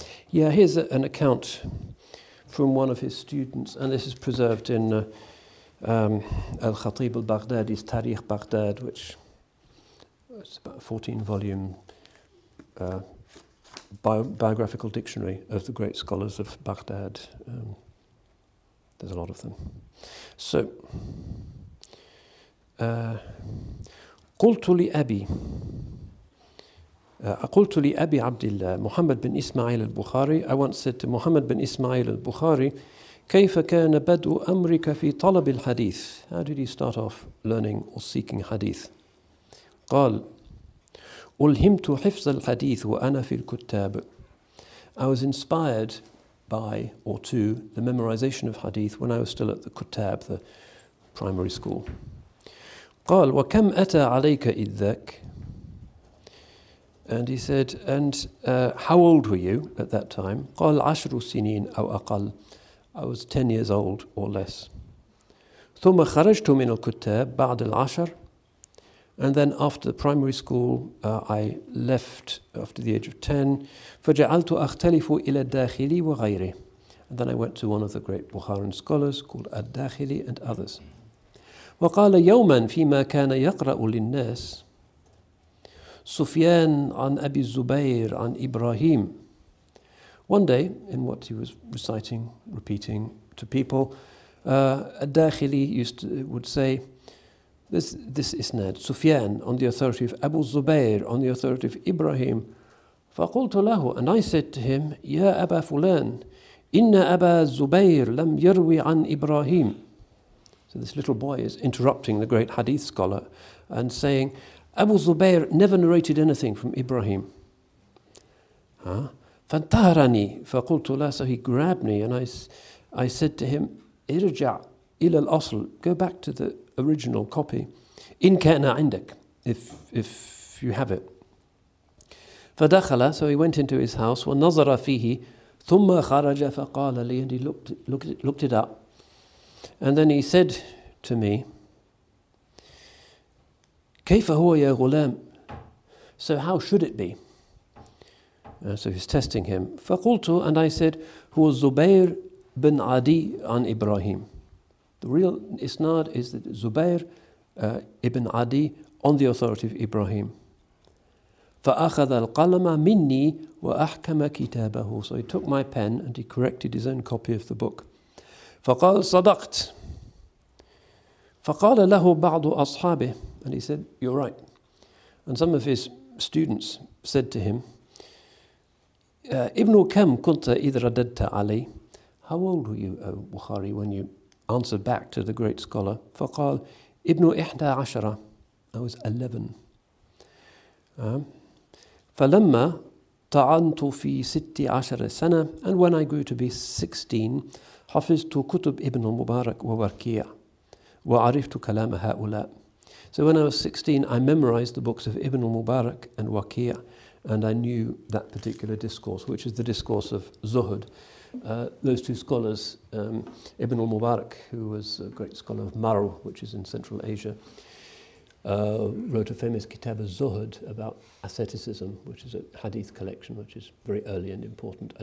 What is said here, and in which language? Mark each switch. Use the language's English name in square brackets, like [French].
[English] Yeah, here's an account from one of his students, and this is preserved in Al-Khatib al-Baghdadi's Tariq Baghdad, which is about a 14-volume biographical dictionary of the great scholars of Baghdad. There's a lot of them. [Arabic] So, قلت لأبي أقلت لأبي عبد الله محمد بن إسماعيل البخاري. [English] I once said to Muhammad bin Ismail al-Bukhari, [Arabic] كيف كان بدء أمرك في طلب الحديث? [English] How did you start off learning or seeking hadith? [Arabic] قال ألهمت حفظ الحديث وأنا في الكتاب. [English] I was inspired by or to the memorization of hadith when I was still at the Kutab, the primary school. [Arabic] قال وكم أتى عليك إذ ذاك? [English] And he said, and how old were you at that time? [Arabic] قال عشر سنين أو أقل. [English] I was 10 years old or less. [Arabic] ثم خرجت من الكتاب بعد العشر. [English] And then after the primary school, I left after the age of 10. [Arabic] فجعلت أختلف إلى الداخلي وغيري. [English] And then I went to one of the great Bukharan scholars called الداخلي and others. [Arabic] وقال يوما فيما كان يقرأ للناس Sufyan an Abi Zubayr an Ibrahim. [English] One day, in what he was reciting, repeating to people, Ad-Dakhili would say, this isnad, Sufyan on the authority of Abu Zubayr, on the authority of Ibrahim. [Arabic] فَقُلْتُ لَهُ [English] And I said to him, [Arabic] يَا أَبَا فُلَانَ إِنَّ أَبَا Zubayr لَمْ يَرْوِ عَنْ Ibrahim. [English] So this little boy is interrupting the great hadith scholar and saying, Abu Zubayr never narrated anything from Ibrahim. [Arabic] فَانْتَهَرَنِي فَقُلْتُ لَهُ [English] So he grabbed me and I said to him, [Arabic] إِرْجَعْ إِلَى الْأَصْلِ [English] Go back to the original copy. [Arabic] إِنْ كَانَ عِنْدَكَ [English] If you have it. [Arabic] فَدَخَلَ [English] So he went into his house. [Arabic] وَنَظَرَ فِيهِ ثُمَّ خَرَجَ فَقَالَ لِي [English] And he looked it up. And then he said to me, [Arabic] كيف هو يا غلام? [English] So how should it be? So he's testing him. [Arabic] فقلتُ [English] and I said, [Arabic] هو زبير بن عدي عن إبراهيم. [English] The real isnad is that زبير ابن عدي on the authority of Ibrahim. [Arabic] فأخذ القلم مني وأحكم كتابه. [English] So he took my pen and he corrected his own copy of the book. [Arabic] فقال صدقت. فقال له بعض أصحابه. [English] And he said, you're right. And some of his students said to him, [Arabic] Ibn Kam kunta idradadta Ali. [English] How old were you, O Bukhari, when you answered back to the great scholar, [Arabic] فقال ابن إحدى عشرة, [English] I was 11. [Arabic] فلما تعنت في ست عشر سنة, [English] and when I grew to be 16, [Arabic] حفظت كتب ابن المبارك ووركيع, وعرفت كلام هؤلاء. [English] So when I was 16, I memorized the books of Ibn al-Mubarak and Waqi', and I knew that particular discourse, which is the discourse of Zuhud. Those two scholars, Ibn al-Mubarak, who was a great scholar of Marw, which is in Central Asia, wrote a famous kitab of Zuhud about asceticism, which is a hadith collection, which is very early and important.